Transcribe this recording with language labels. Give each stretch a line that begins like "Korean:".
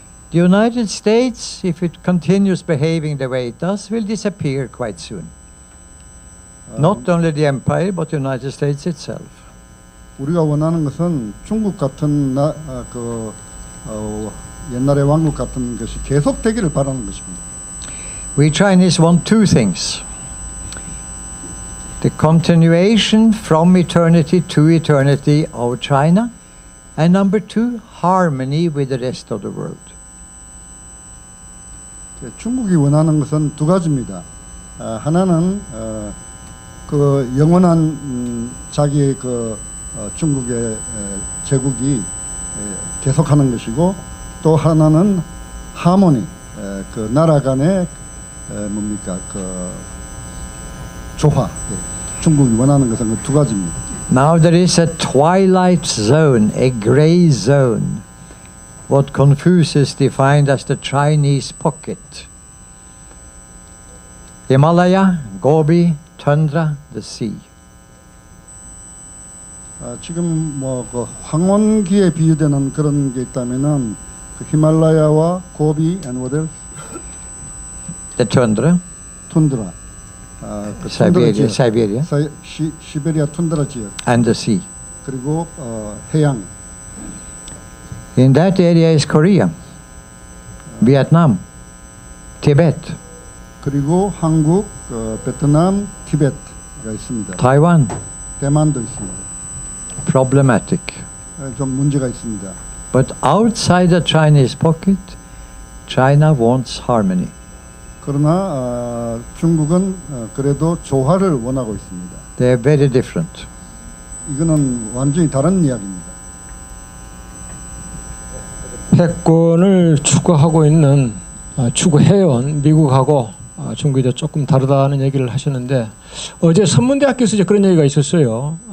English: The United States, if it continues behaving the way it does, will disappear quite soon. Not only the empire, but the United States itself.
Korean: 우리가 원하는 것은 중국 같은 옛날의 왕국 같은 것이 계속 되기를 바라는 것입니다.
English: We Chinese want two things. The continuation from eternity to eternity of China and number two, harmony with the rest of the world.
Korean: 중국이 원하는 것은 두 가지입니다. 하나는 그 영원한 자기의 그 중국의 제국이 계속하는 것이고 또 하나는 하모니, 그 나라 간의 뭡니까 그 조화. 예, 중국이 원하는 것은 그 두 가지입니다.
English: Now there is a twilight zone, a gray zone, what Confucius defined as the Chinese pocket. Himalaya, Gobi, Tundra, the sea.
Korean: 지금 뭐 그 황혼기에 비유되는 그런 게 있다면은 그 히말라야와 고비
English: and what else? The tundra. Tundra.
Korean: 그 Siberia. 지역. Siberia. 시베리아 tundra 지역.
English: And the sea.
Korean: 그리고 해양.
English: In that area is Korea, Vietnam, Tibet.
Korean: 그리고 한국, 베트남, 티베트가 있습니다.
English: Taiwan.
Korean: 대만도 있습니다.
English: Problematic.
Korean: 좀 문제가 있습니다.
English: But outside the Chinese pocket, China wants harmony.
Korean: 그러나 중국은 그래도 조화를 원하고 있습니다.
English: They are very different.
Korean: 이거는 완전히 다른 이야기입니다. 패권을 추구하고 있는 추구해온 미국하고 중국이 조금 다르다는 얘기를 하셨는데 어제 선문대학교에서 이제 그런 얘기가 있었어요.